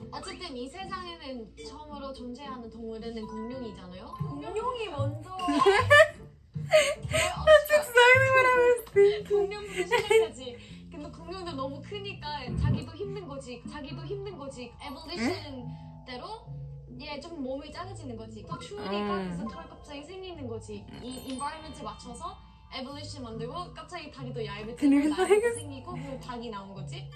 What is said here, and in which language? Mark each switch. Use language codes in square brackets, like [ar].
[ko] 어쨌든 이 세상에는 처음으로 존재하는 동물은 공룡이잖아요? 공룡이 먼저! [en] That's exactly what I was thinking. [ko] 공룡도 생각하지. 근데 공룡도 너무 크니까 자기도 힘든 거지. 자기도 힘든 거지. Evolution대로 얘 좀 몸이 작아지는 거지. 더 추우니까 그래서 털 갑자기 생기는 거지. 이 environment에 맞춰서 Evolution 만들고 갑자기 다리도 얇아지고 생기고 그 닭이 나온 거지.